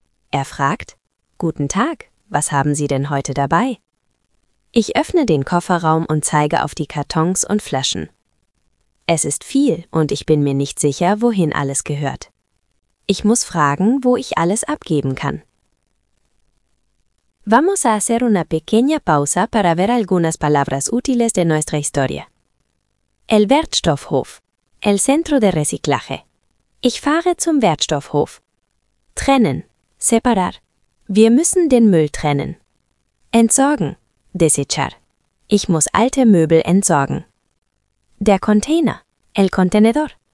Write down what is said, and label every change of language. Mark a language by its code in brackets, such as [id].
[de] Er fragt: "Guten Tag, was haben Sie denn heute dabei?" Ich öffne den Kofferraum und zeige auf die Kartons und Flaschen. Es ist viel und ich bin mir nicht sicher, wohin alles gehört. Ich muss fragen, wo ich alles abgeben kann. [es] Vamos a hacer una pequeña pausa para ver algunas palabras útiles de nuestra historia. El Wertstoffhof. El centro de reciclaje. [de] Ich fahre zum Wertstoffhof. Trennen. Separar. Wir müssen den Müll trennen. Entsorgen. Desechar. Ich muss alte Möbel entsorgen. Der Container, [es] el contenedor.